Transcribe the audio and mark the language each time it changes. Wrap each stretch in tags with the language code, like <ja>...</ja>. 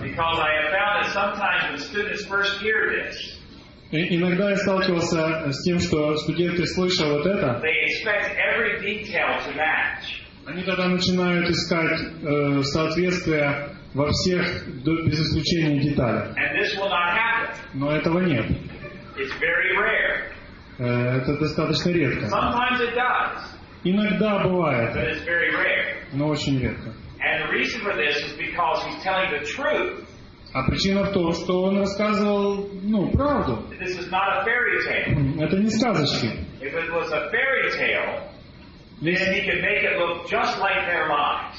<en>Because I have found that sometimes when students first hear this,</en> <ru>иногда я сталкивался с тем, что студенты, слыша вот это,</ru> <en>they expect every detail to match.</en> <ru>Они тогда начинают искать соответствие во всех без исключения деталях.</ru> <en>And this will not happen.</en> <ru>Но этого нет.</ru> <en>It's very rare.</en> <ru>Это достаточно редко.</ru> <en>Sometimes it does.</en> <ru>Иногда бывает,</ru> <en>but it's very rare.</en> <ru>Но очень редко.</ru> <en>And the reason for this is because he's telling the truth.</en> <ru>А причина в том, что он рассказывал, ну, правду.</ru> <en>This is not a fairy tale.</en> <ru>Это не сказочки.</ru> <en>If it was a fairy tale, then he could make it look just like their lives.</en>